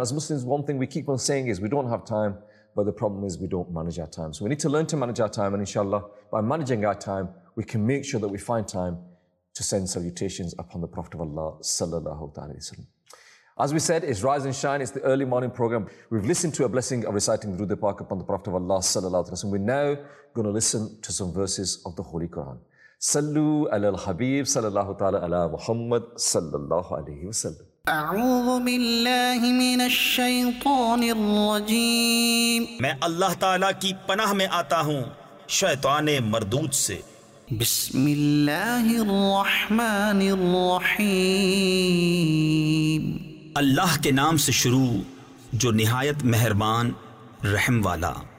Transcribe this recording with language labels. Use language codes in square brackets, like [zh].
[en] As Muslims, one thing we keep on saying is we don't have time, but the problem is we don't manage our time. So we need to learn to manage our time, and inshallah, by managing our time, we can make sure that we find time to send salutations upon the Prophet of Allah [ar] sallallahu alaihi wasallam. [en] As we said, it's Rise and Shine, it's the early morning program. We've listened to a blessing of reciting Durood e Pak upon the Prophet of Allah [ar] sallallahu alaihi wasallam. [en] We're now going to listen to some verses of the Holy Quran. [ar] Sallu ala al-habib sallallahu ta'ala ala Muhammad sallallahu alaihi wasallam. أعوذ بالله من الشيطان الرجيم [ur] میں اللہ تعالیٰ کی پناہ میں آتا ہوں شیطان مردود سے [ar] بسم اللہ الرحمن الرحیم [ur] اللہ کے نام سے شروع جو نہایت مہربان رحم والا